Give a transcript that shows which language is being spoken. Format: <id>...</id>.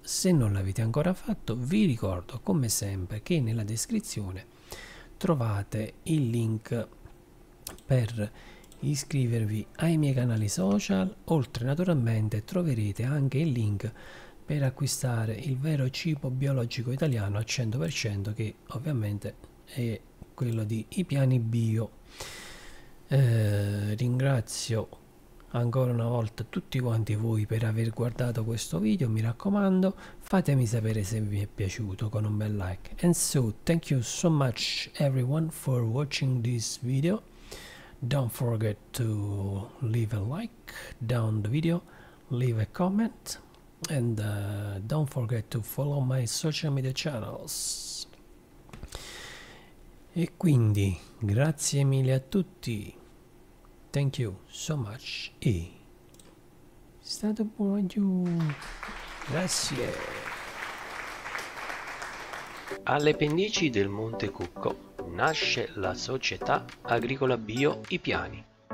<it>Se non l'avete ancora fatto, vi ricordo come sempre che nella descrizione trovate il link per iscrivervi ai miei canali social, oltre naturalmente troverete anche il link per acquistare il vero cibo biologico italiano al 100%, che ovviamente è quello di I Piani Bio. Ringrazio ancora una volta tutti quanti voi per aver guardato questo video. Mi raccomando, fatemi sapere se vi è piaciuto con un bel like.</it> <en>And so, thank you so much everyone for watching this video. Don't forget to leave a like down the video, leave a comment, and don't forget to follow my social media channels.</en> <it>E quindi, grazie mille a tutti.</it> <en>Thank you so much.</en> <it>E stato buono. Grazie. Alle pendici del Monte Cucco nasce la società agricola bio I Piani.</it>